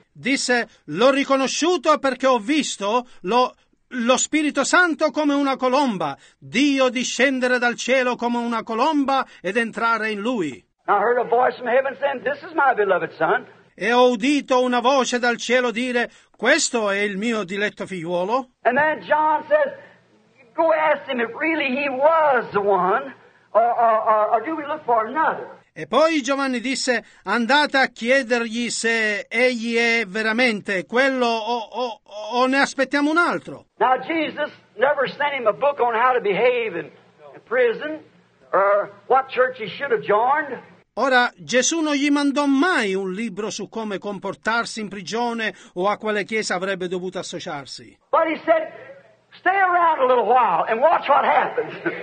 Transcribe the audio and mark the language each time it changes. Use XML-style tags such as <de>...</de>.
<it>Disse, l'ho riconosciuto perché ho visto lo Spirito Santo come una colomba, Dio discendere dal cielo come una colomba ed entrare in lui.</it> <en>I heard a voice from heaven saying, this is my beloved son.</en> <it>E ho udito una voce dal cielo dire, questo è il mio diletto figliuolo.</it> <en>And then John says, go ask him if really he was the one, or do we look for another?</en> <it>E poi Giovanni disse, andate a chiedergli se egli è veramente quello o ne aspettiamo un altro.</it> <en>Now Jesus never sent him a book on how to behave in prison, or what church he should have joined.</en> <it>Ora, Gesù non gli mandò mai un libro su come comportarsi in prigione o a quale chiesa avrebbe dovuto associarsi.</it> <en>But he said, stay around a little while and watch what happens.</en>